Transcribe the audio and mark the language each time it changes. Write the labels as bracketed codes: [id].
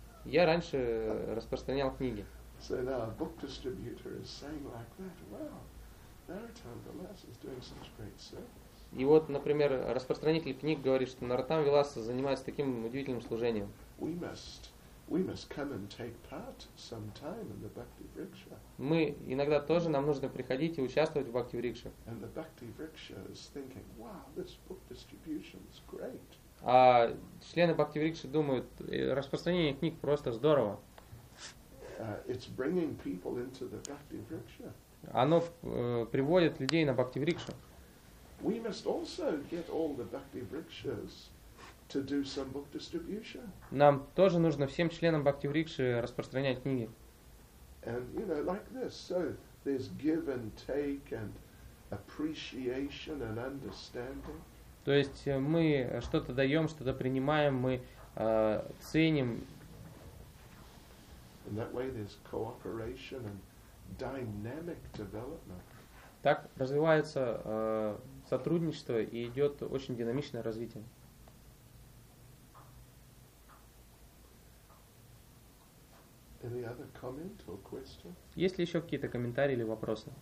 [ru] Я раньше распространял книги. [en] So now a book distributor is saying like that, wow, Narottama Das is doing such great service. [ru] И вот, например, распространитель книг говорит, что Narottama Das занимается таким удивительным служением. [en] We must, We must come and take part sometime in the Bhakti Vriksha. [ru] Мы иногда тоже нам нужно приходить и участвовать в Bhakti Vriksha. [en] And the Bhakti Vriksha is thinking, wow, this book distribution is great. [ru] А члены Bhakti Vriksha думают, распространение книг просто здорово. [en] It's bringing people into the Bhakti Vriksha. [ru] Оно приводит людей на Bhakti Vriksha. [en] We must also get all the Bhakti Vrikshas to do some book distribution. [ru] Нам тоже нужно всем членам Bhakti Vriksha распространять книги. [en] And you know, like this, so there's give and take and appreciation and understanding. [ru] То есть мы что-то даем, что-то принимаем, мы ценим. [en] In that way there's cooperation and dynamic development. [ru] Так развивается сотрудничество и идет очень динамичное развитие. [en] Any other comment or question? [ru] Есть ли еще какие-то комментарии или вопросы?